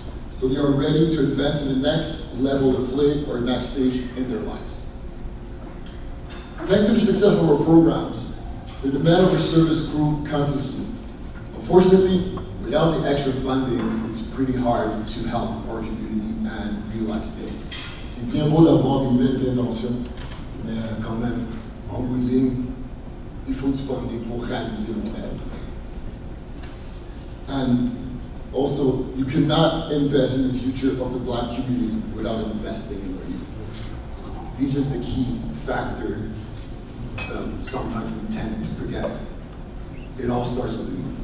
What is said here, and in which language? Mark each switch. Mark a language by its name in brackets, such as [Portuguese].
[English] so they are ready to advance to the next level of play or next stage in their lives. Thanks to the success of our programs, the demand of our service grew constantly. Unfortunately, without the extra fundings, it's pretty hard to help our community and real-life states. [French] C'est bien beau d'avoir des belles intentions, mais quand même, en bout de ligne, il faut se funder pour réaliser nos rêves. [English] And also, you cannot invest in the future of the Black community without investing in our youth. This is the key factor that sometimes we tend to forget. It all starts with you.